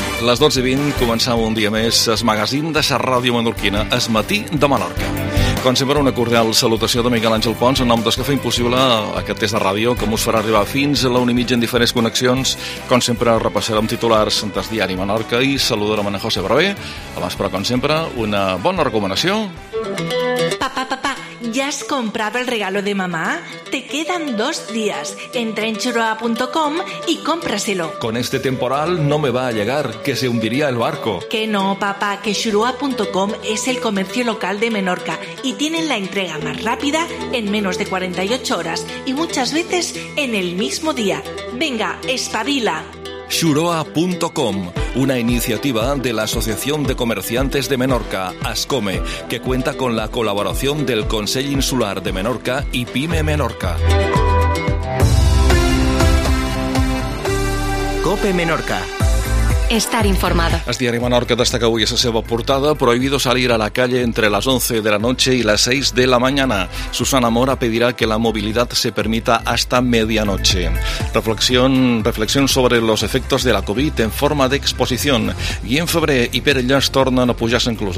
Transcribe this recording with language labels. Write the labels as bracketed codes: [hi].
[ca] Les 12:20, començam un dia més el magazín de la ràdio menorquina, el matí de Menorca. Com sempre, una cordial salutació de Miguel Àngel Pons, en nom del que fa impossible aquest test de ràdio, que us farà arribar fins a la 1:30 en diferents connexions. Com sempre, repassarem titulars del diari Menorca i saludarem en José Barbé. Abans, però, com sempre, una bona recomanació. [es] Papá, ¿ya has comprado el regalo de mamá? Te quedan 2 días. Entra en churoa.com y cómpraselo. Con este temporal no me va a llegar, que se hundiría el barco. Que no, papá, que churoa.com es el comercio local de Menorca y tienen la entrega más rápida en menos de 48 horas y muchas veces en el mismo día. Venga, espabila. Churoa.com, una iniciativa de la Asociación de Comerciantes de Menorca, ASCOME, que cuenta con la colaboración del Consell Insular de Menorca y PYME Menorca. COPE Menorca. Estar informado. [ca] El diari Menorca destaca avui a la seva portada: prohibido salir a la calle entre las 11 de la noche y las 6 de la mañana. [es] Susana Mora pedirá que la movilidad se permita hasta medianoche. Reflexión sobre los efectos de la COVID en forma de exposición. [ca] Guillem Febrer i Pere Llas tornen a pujar-se inclús.